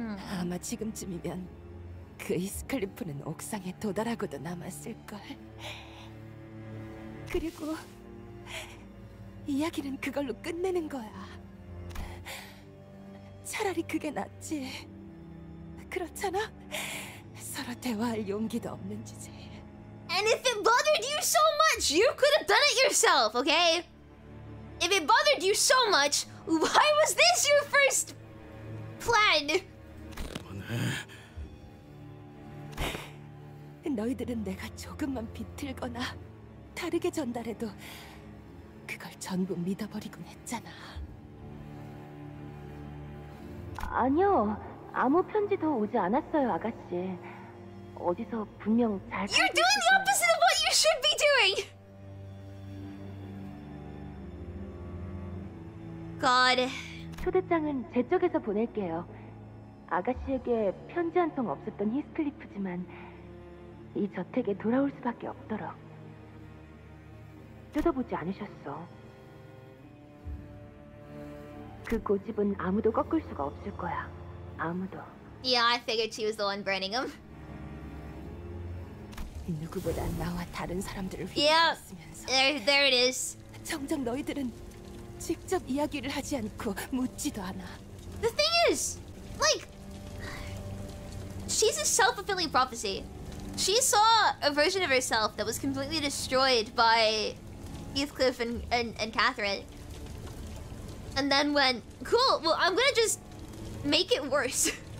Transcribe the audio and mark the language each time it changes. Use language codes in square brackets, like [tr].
[ko] 아마 지금쯤이면 그 히스클리프는 옥상에 도달하고도 남았을걸. 그리고 이야기는 그걸로 끝내는 거야. 차라리 그게 낫지. 그렇잖아? 서로 대화할 용기도 없는 주제. [en] And if it bothered you so much, you could have done it yourself, okay? If it bothered you so much, why was this your first plan? [ko] 너희들은 내가 조금만 비틀거나 다르게 전달해도 그걸 전부 믿어버리곤 했잖아. 아니요. 아무 편지도 오지 않았어요, 아가씨. 어디서 분명 잘... [en] You're doing the opposite of what you should be doing! God. [ko] 초대장은 제 쪽에서 보낼게요. 아가씨에게 편지 한 통 없었던 히스클리프지만 이 저택에 돌아올 수밖에 없더라. 뜯어보지 않으셨어. 그 고집은 아무도 꺾을 수가 없을 거야. 아무도. [en] Yeah, I figured she was the one burning him. 누구보다 나와 다른 사람들을 [ko] 위해했으면서. [en] Yeah. There it is. [ko] 정작 너희들은 직접 이야기를 하지 않고 묻지도 않아. [en] The thing is, like, she's a self-fulfilling prophecy. She saw a version of herself that was completely destroyed by Heathcliff and Catherine. And then went, cool, well, I'm gonna just make it worse.